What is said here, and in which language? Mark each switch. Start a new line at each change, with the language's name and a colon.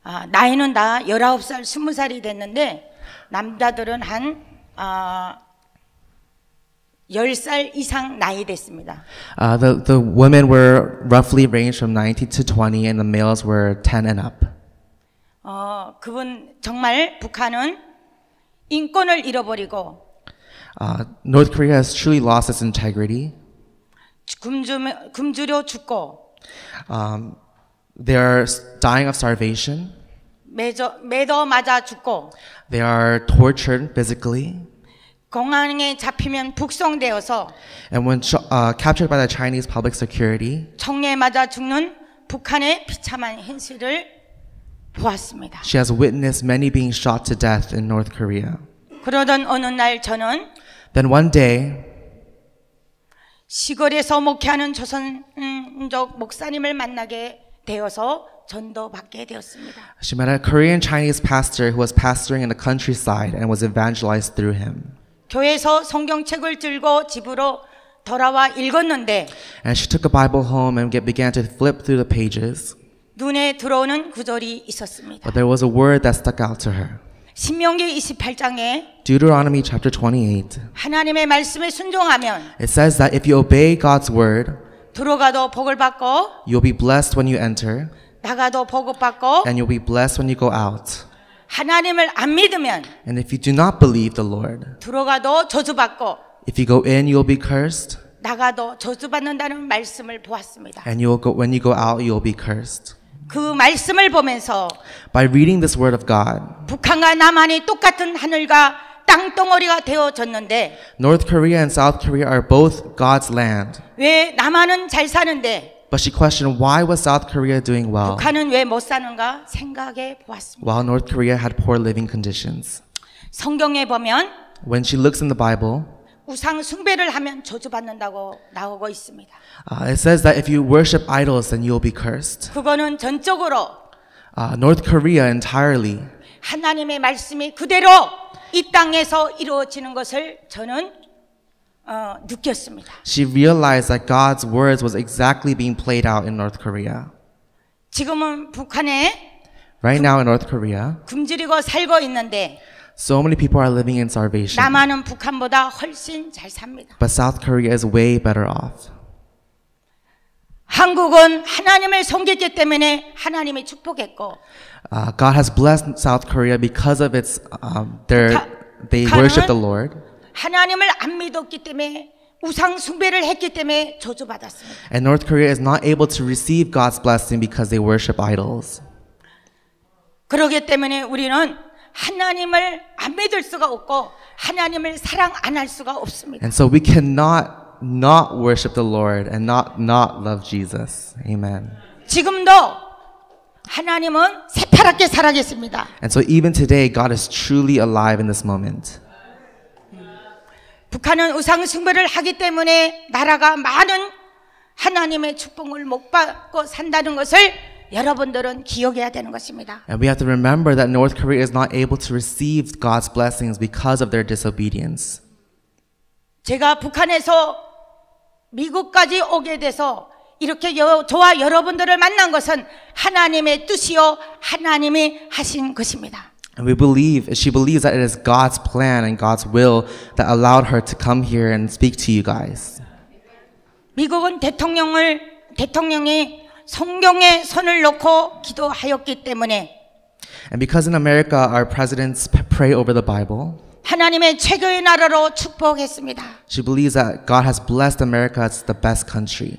Korean: 나이는 다 19살, 20살이 됐는데 남자들은 한 10살 이상 나이 됐습니다.
English: The women were roughly ranged from 19 to 20 and the males were 10 and up.
Korean: 그분 정말 북한은 인권을 잃어버리고
English: North Korea has truly lost its integrity.
Korean: 굶주려 죽고
English: they are dying of starvation.
Korean: 매도 맞아 죽고
English: they are tortured physically.
Korean: 공항에 잡히면 북송되어서
English: And when captured by the Chinese public security
Korean: 총에 맞아 죽는 북한의 비참한 현실을 보았습니다.
English: She has witnessed many being shot to death in North Korea.
Korean: 그러던 어느 날 저는
English: Then one day
Korean: 시골에서 목회하는 조선족 목사님을 만나게 되어서 전도 받게 되었습니다.
English: She met a Korean Chinese pastor who was pastoring in the countryside and was evangelized through him.
Korean: 교회에서 성경책을 들고 집으로 돌아와 읽었는데
English: And she took a Bible home and began to flip through the pages.
Korean: 눈에 들어오는 구절이 있었습니다.
English: But there was a word that stuck out to her.
Korean: 신명기 28장에
English: Deuteronomy chapter 28
Korean: 하나님의 말씀에 순종하면
English: It says that if you obey God's word
Korean: 들어가도 복을 받고
English: You'll be blessed when you enter
Korean: 나가도 복을 받고
English: And you'll be blessed when you go out
Korean: 하나님을 안 믿으면
English: And if you do not believe the Lord
Korean: 들어가도 저주받고
English: If you go in, you'll be cursed
Korean: 나가도 저주받는다는 말씀을 보았습니다
English: And you'll go, when you go out, you'll be cursed
Korean: 그 말씀을 보면서
English: By reading this word of God
Korean: 북한과 남한이 똑같은 하늘과 땅덩어리가 되어졌는데
English: North Korea and South Korea are both God's land
Korean: 왜 남한은 잘 사는데
English: But she questioned why was South Korea doing well
Korean: 북한은 왜 못 사는가 생각해 보았습니다
English: While North Korea had poor living conditions
Korean: 성경에 보면
English: When she looks in the Bible
Korean: 우상 숭배를 하면 저주받는다고 나오고 있습니다.
English: It says that if you worship idols, then you'll be cursed.
Korean: 그거는 전적으로
English: North Korea entirely.
Korean: 하나님의 말씀이 그대로 이 땅에서 이루어지는 것을 저는 느꼈습니다.
English: She realized that God's words was exactly being played out in North Korea.
Korean: 지금은 북한에
English: Right now in North Korea.
Korean: 굶주리고 살고 있는데
English: So many people are living in starvation.
Korean: 남한은 북한보다 훨씬 잘 삽니다.
English: But South Korea is way better off.
Korean: 한국은 하나님을 섬겼기 때문에 하나님이 축복했고.
English: God has blessed South Korea because of its they worship the Lord.
Korean: 하나님을 안 믿었기 때문에 우상 숭배를 했기 때문에 저주받았습니다.
English: And North Korea is not able to receive God's blessing because they worship idols.
Korean: 그러기 때문에 우리는 하나님을 안 믿을 수가 없고 하나님을 사랑 안 할 수가 없습니다.
English: And so we cannot not worship the Lord and not love Jesus. Amen.
Korean: 지금도 하나님은 새파랗게 살아계십니다.
English: And so even today God is truly alive in this moment.
Korean: 북한은 우상 숭배를 하기 때문에 나라가 많은 하나님의 축복을 못 받고 산다는 것을 여러분들은 기억해야 되는 것입니다.
English: And we have to remember that North Korea is not able to receive God's blessings because of their disobedience.
Korean: 제가 북한에서 미국까지 오게 돼서 이렇게 저와 여러분들을 만난 것은 하나님의 뜻이요 하나님이 하신 것입니다.
English: And we believe, she believes that it is God's plan and God's will that allowed her to come here and speak to you guys.
Korean: 미국은 대통령이 성경에 손을 놓고 기도하였기 때문에
English: And because in America our presidents pray over the Bible
Korean: 하나님의 최고의 나라로 축복했습니다.
English: She believes that God has blessed America as the best country.